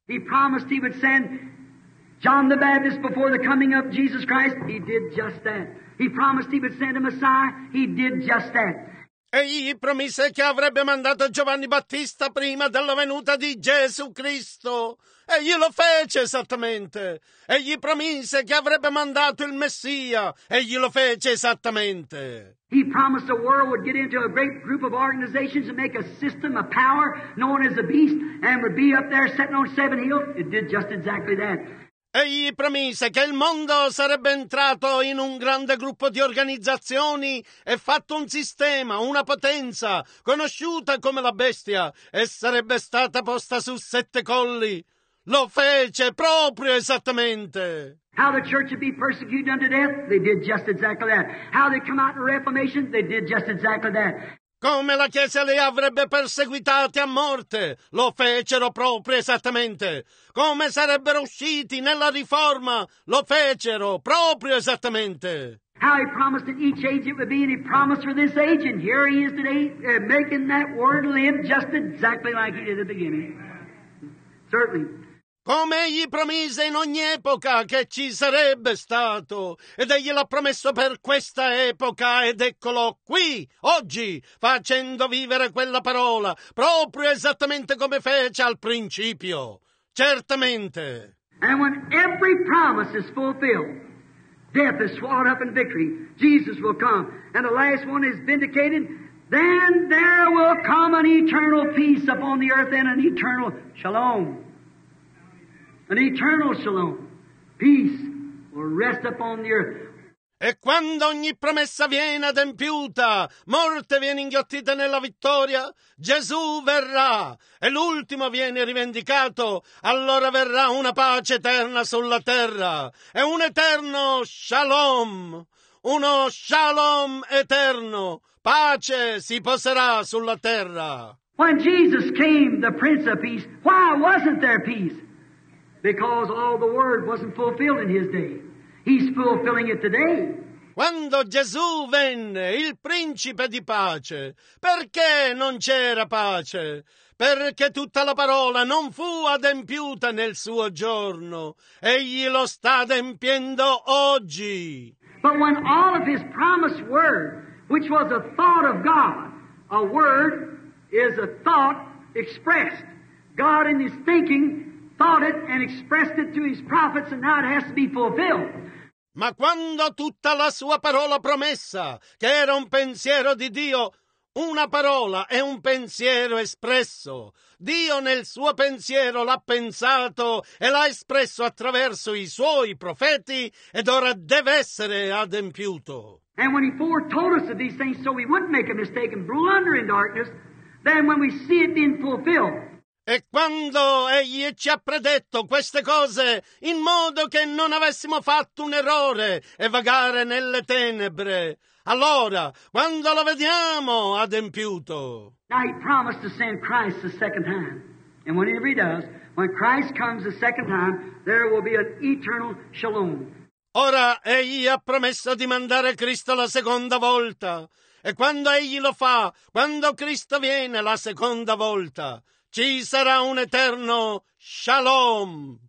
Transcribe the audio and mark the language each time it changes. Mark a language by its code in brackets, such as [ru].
[en] He promised he would send John the Baptist before the coming of Jesus Christ, he did just that. He promised he would send a Messiah, he did just that. [it] Egli promise che avrebbe mandato Giovanni Battista prima della venuta di Gesù Cristo. Egli lo fece esattamente. Egli promise che avrebbe mandato il Messia. Egli lo fece esattamente. [en] He promised the world would get into a great group of organizations and make a system, a power, known as the beast, and would be up there sitting on seven hills. It did just exactly that. [it] Egli promise che il mondo sarebbe entrato in un grande gruppo di organizzazioni e fatto un sistema, una potenza, conosciuta come la bestia, e sarebbe stata posta su sette colli. Lo fece proprio esattamente. [en] How the church would be persecuted unto death, they did just exactly that. How they come out in Reformation, they did just exactly that. [it] Come la Chiesa li avrebbe perseguitati a morte, lo fecero proprio esattamente. Come sarebbero usciti nella Riforma, lo fecero proprio esattamente. [en] How he promised that each age it would be, and he promised for this age, and here he is today, making that word live just exactly like he did at the beginning. Certainly. [it] Come egli promise in ogni epoca che ci sarebbe stato, ed egli l'ha promesso per questa epoca, ed eccolo qui, oggi, facendo vivere quella parola, proprio esattamente come fece al principio, certamente. [en] And when every promise is fulfilled, death is swallowed up in victory, Jesus will come, and the last one is vindicated, then there will come an eternal peace upon the earth and an eternal shalom. An eternal shalom, peace, will rest upon the earth. [it] E quando ogni promessa viene adempiuta, morte viene inghiottita nella vittoria, Gesù verrà, e l'ultimo viene rivendicato, allora verrà una pace eterna sulla terra, e un eterno shalom, uno shalom eterno, pace si poserà sulla terra. [en] When Jesus came, the Prince of Peace, why wasn't there peace? Because all the word wasn't fulfilled in his day. He's fulfilling it today. [it] Quando Gesù venne, il principe di pace, perché non c'era pace? Perché tutta la parola non fu adempiuta nel suo giorno. Egli lo sta adempiendo oggi. [en] But when all of his promised word, which was a thought of God, a word is a thought expressed. God in his thinking thought it and expressed it to his prophets, and now it has to be fulfilled. [it] Ma quando tutta la sua parola promessa, che era un pensiero di Dio, Una parola è un pensiero espresso. Dio nel suo pensiero l'ha pensato e l'ha espresso attraverso i suoi profeti ed ora deve essere adempiuto. [en] And when he foretold us of these things so we wouldn't make a mistake and blunder in darkness, then when we see it being fulfilled. [it] E quando egli ci ha predetto queste cose in modo che non avessimo fatto un errore e vagare nelle tenebre, allora, quando lo vediamo adempiuto. [en] Now he promised to send Christ the second time. And whenever he does, when Christ comes the second time, there will be an eternal shalom. [it] Ora egli ha promesso di mandare Cristo la seconda volta. E quando egli lo fa, quando Cristo viene la seconda volta, ci sarà un eterno shalom.